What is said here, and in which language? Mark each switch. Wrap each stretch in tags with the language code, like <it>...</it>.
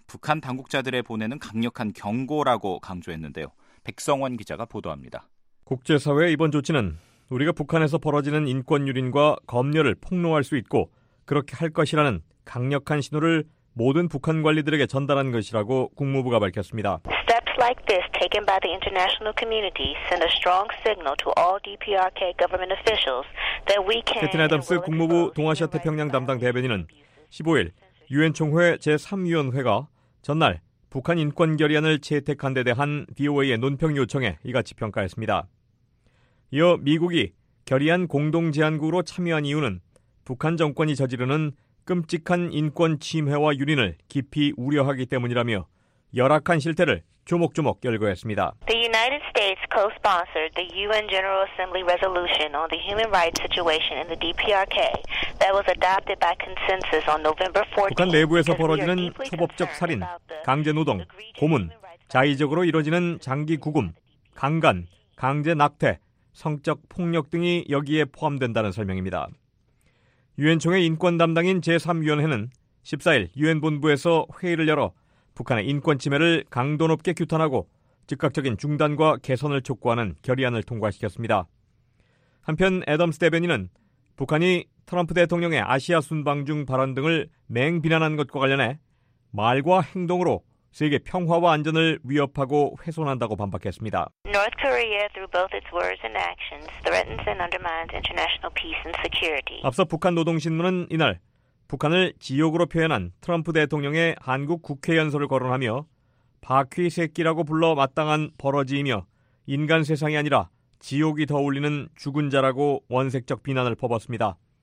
<ko>북한 당국자들에 보내는 강력한 경고라고 강조했는데요. 백성원 기자가 보도합니다. 국제사회의 이번 조치는 우리가 북한에서 벌어지는 인권 유린과 검열을 폭로할 수 있고 그렇게 할 것이라는 강력한 신호를 모든 북한 관리들에게 전달한 것이라고 국무부가 밝혔습니다.</ko> <en>Steps like this taken by the international community send a strong signal to all DPRK government officials that we can.</en> <ko>캐틴 애덤스 국무부 동아시아 태평양 담당 대변인은 15일 유엔 총회 제3위원회가 전날 북한 인권 결의안을 채택한 데 대한 BOA의 논평 요청에 이같이 평가했습니다. 이어 미국이 결의안 공동 제안국으로 참여한 이유는 북한 정권이 저지르는 끔찍한 인권 침해와 유린을 깊이 우려하기 때문이라며 열악한 실태를 조목조목 열거했습니다.</ko> <en>The United States co-sponsored the UN General Assembly resolution on the human rights situation in the DPRK that was adopted by consensus on November 14th.</en> <ko>북한 내부에서 벌어지는 초법적 살인, 강제 노동, 고문, 자의적으로 이루어지는 장기 구금, 강간, 강제 낙태, 성적 폭력 등이 여기에 포함된다는 설명입니다. 유엔총회 인권 담당인 제3위원회는 14일 유엔 본부에서 회의를 열어 북한의 인권 침해를 강도 높게 규탄하고 즉각적인 중단과 개선을 촉구하는 결의안을 통과시켰습니다. 한편 애덤스 대변인은 북한이 트럼프 대통령의 아시아 순방 중 발언 등을 맹비난한 것과 관련해 말과 행동으로 세계 평화와 안전을 위협하고 훼손한다고 반박했습니다.</ko> <en>North Korea, through both its words and actions, threatens and undermines international peace and security.</en> <ko>앞서 북한 노동신문은 이날 북한을 지옥으로 표현한 트럼프 대통령의 한국 국회 연설을 거론하며 바퀴 새끼라고 불러 마땅한 버러지이며 인간 세상이 아니라 지옥이 더 울리는 죽은 자라고 원색적 비난을 퍼붓습니다.</ko>